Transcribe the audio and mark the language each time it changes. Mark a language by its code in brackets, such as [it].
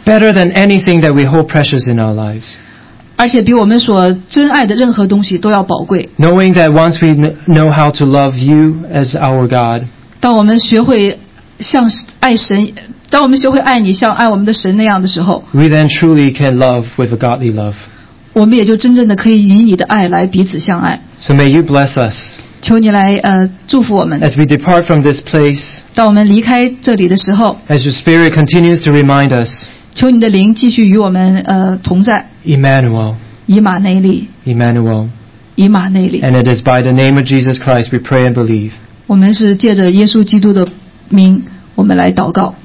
[en] Better than anything that we hold precious in our lives. [zh] 而且比我们所珍爱的任何东西都要宝贵。 [en] Knowing that once we know how to love you as our God, [zh] 当我们学会像爱神，当我们学会爱你像爱我们的神那样的时候 [en] ，we then truly can love with a godly love. [zh] 我们也就真正的可以以你的爱来彼此相爱。 [en] So may you bless us. [zh] 求你来祝福我们。 [en] As we depart from this place, [zh] 当我们离开这里的时候 [en] ，as your Spirit continues to remind us. [zh] 求你的灵继续与我们同在 [en] Emmanuel [zh] 以马内利 [en] Emmanuel [zh] 以马内利 [en] And it is by the name of Jesus Christ we pray and believe [zh] 我们是借着耶稣基督的名，我们来祷告。